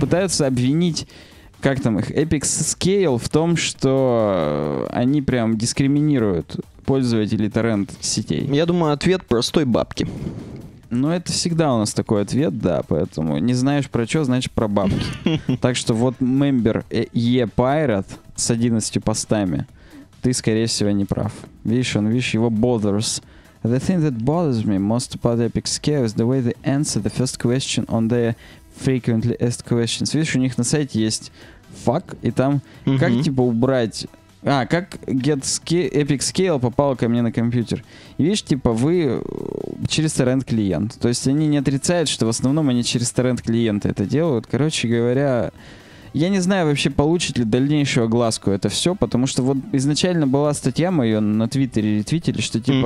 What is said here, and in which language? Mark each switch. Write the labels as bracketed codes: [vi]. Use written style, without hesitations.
[ru] Пытаются обвинить, как там их, Epic Scale в том, что они прям дискриминируют пользователей торрент-сетей. Я думаю, ответ простой — бабки. Ну, это всегда у нас такой ответ, да. Поэтому не знаешь про что, значит про бабки. Так что вот мембер E-Pirate с 11 постами, ты, скорее всего, не прав. Видишь, он, видишь, его bothers. [en] The thing that bothers me most about Epic Scale is the way they answer the first question on their frequently asked questions. [ru] Видишь, у них на сайте есть fuck, и там mm-hmm. как типа убрать... А, как get Epic Scale попал ко мне на компьютер? И видишь, типа вы через торрент-клиент. То есть они не отрицают, что в основном они через торрент-клиенты это делают. Короче говоря... Я не знаю вообще, получит ли дальнейшую огласку это все, потому что вот изначально была статья, мы ее на Твиттере ретвитили, что типа...